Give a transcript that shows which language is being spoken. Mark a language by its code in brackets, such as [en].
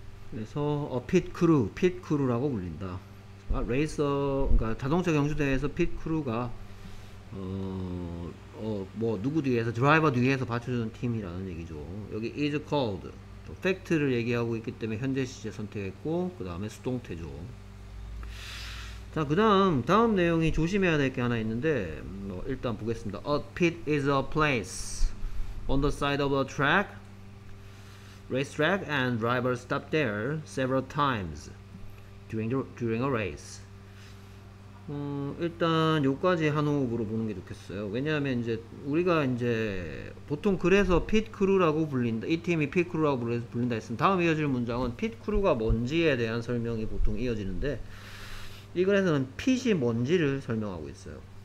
[ko] 그래서 a pit crew, pit crew라고 불린다. 그러니까 레이서, 그러니까 자동차 경주대회에서 pit crew가 뭐 누구 뒤에서 드라이버 뒤에서 받쳐주는 팀이라는 얘기죠. 여기 [en] is called [ko] 팩트를 얘기하고 있기 때문에 현재 시제 선택했고, 그 다음에 수동태죠. 자, 그 다음, 다음 내용이 조심해야 될 게 하나 있는데, 뭐 일단 보겠습니다. [en] A pit is a place on the side of a track, racetrack, and drivers stop there several times during a race. [ko] 일단 요까지 한 호흡으로 보는 게 좋겠어요. 왜냐하면 이제 우리가 이제 보통 그래서 pit crew라고 불린다, 이 팀이 pit crew라고 불린다 했으면 다음 이어질 문장은 pit crew가 뭔지에 대한 설명이 보통 이어지는데, 이 글에서는 pit이 뭔지를 설명하고 있어요.